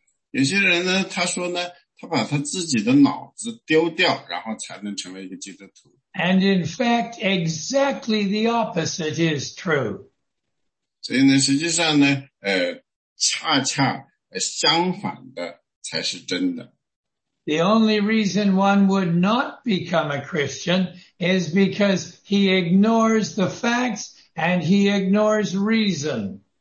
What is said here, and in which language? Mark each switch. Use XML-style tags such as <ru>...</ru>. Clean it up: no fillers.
<zh>有些人呢他说呢他把他自己的脑子丢掉，然后才能成为一个基督徒。</zh> <en>And in fact, exactly the opposite is true.</en> <zh>所以呢，实际上呢，恰恰相反的才是真的。</zh> <en>The only reason one would not become a Christian is because he ignores the facts and he ignores reason.</en>